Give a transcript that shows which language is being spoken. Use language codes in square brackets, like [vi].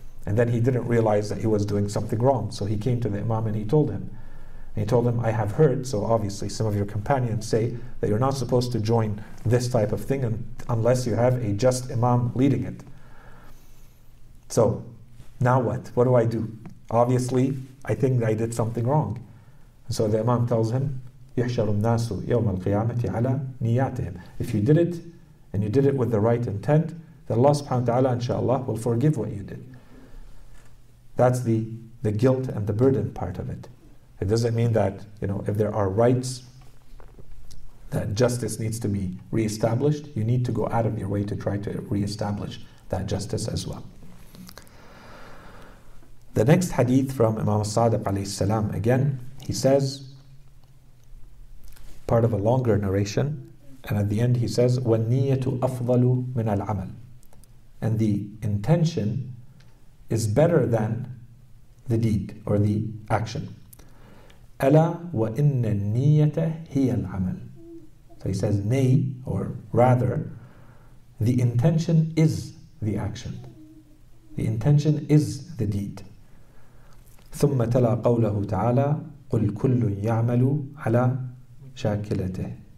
[en] And then he didn't realize that he was doing something wrong. So he came to the Imam and he told him, I have heard, so obviously some of your companions say that you're not supposed to join this type of thing unless you have a just Imam leading it. So now what? What do I do? Obviously, I think I did something wrong. So the Imam tells him, [ar] يحشر الناس يوم القيامة على نياتهم. [en] If you did it and you did it with the right intent, then Allah subhanahu wa ta'ala inshallah will forgive what you did. That's the guilt and the burden part of it. It doesn't mean that, you know, if there are rights, that justice needs to be reestablished. You need to go out of your way to try to reestablish that justice as well. The next hadith from Imam Sadiq alayhi salam, again, he says, part of a longer narration, and at the end he says, [ar] وَالنِّيَّةُ أَفْضَلُ مِنَ الْعَمَلِ, [en] and the intention is better than the deed or the action. [ar] أَلَا وَإِنَّ النِّيَّةَ هِيَ الْعَمَلِ. [en] So he says, nay, or rather, the intention is the action. The intention is the deed. [ar] ثم تلا قوله تعالى قل كل يعمل على شاكلته.